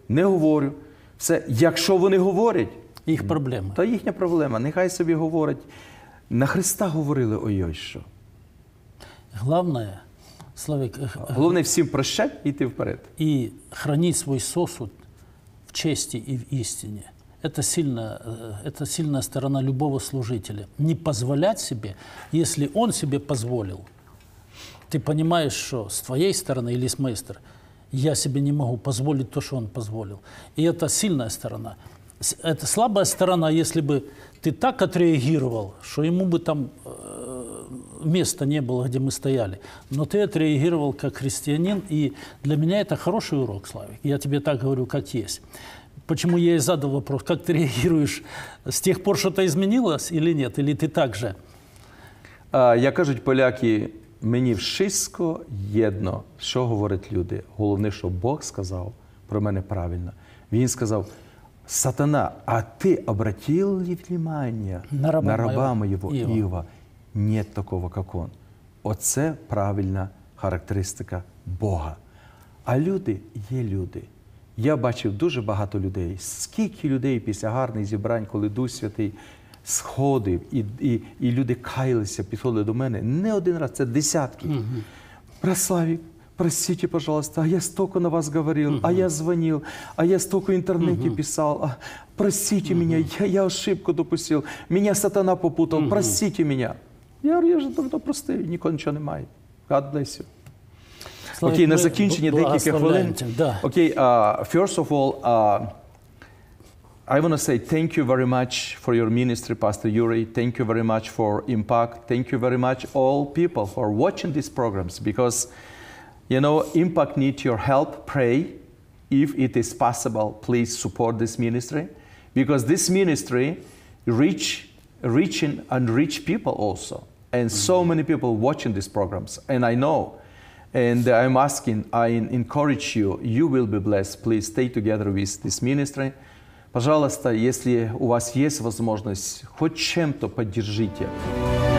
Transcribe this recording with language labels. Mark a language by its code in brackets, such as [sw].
[uk] Не говорю. Все, якщо вони говорять... Їх проблема. Та їхня проблема. Нехай собі говорять. На Христа говорили, ой-ой, що. Головне, Славик... Головне всім прощати і йти вперед. І хранити свій сосуд в честі і в істині. [ru] это сильная сторона любого служителя. Не позволять себе, если он себе позволил, ты понимаешь, что с твоей стороны или с моей стороны, я себе не могу позволить то, что он позволил. И это сильная сторона. Это слабая сторона, если бы ты так отреагировал, что ему бы там места не было, где мы стояли. Но ты отреагировал как христианин, и для меня это хороший урок, Славик. Я тебе так говорю, как есть. Почему я и задал вопрос, как ты реагируешь? С тех пор что-то изменилось или нет? Или ты так же? [uk] Я кажу, поляки, мені всичко єдно, що говорять люди. Головне, що Бог сказав про мене правильно. Він сказав: [ru] «Сатана, а ти обратил ли внимание на раба моего Ива? Нет такого, как он». [uk] Оце правильна характеристика Бога. А люди є люди. Я бачив дуже багато людей. Скільки людей після гарних зібрань, коли Дух Святий сходив, і люди каялися, підходили до мене. Не один раз, це десятки. [ru] Преславик, простите, пожалуйста, а я столько на вас говорил, а я звонил, а я столько в интернете писал. Простите меня, я ошибку допустил. Меня сатана попутал, простите меня. [uk] Я говорю, я же давно простий, ніколи нічого немає. [en] God bless you. [uk] Славик, окей, на закінченні декілька хвилин. [ru] Да. [en] Окей, first of all, I want to say thank you very much for your ministry, Pastor Yuri. Thank you very much for Impact. Thank you very much all people for watching these programs, because you know, Impact need your help. Pray, if it is possible, please support this ministry, because this ministry reaching unreached people also, and so many people watching these programs. And I know, and I'm asking, I encourage you. You will be blessed. Please stay together with this ministry. [ru] Пожалуйста, если у вас есть возможность, хоть чем-то поддержите.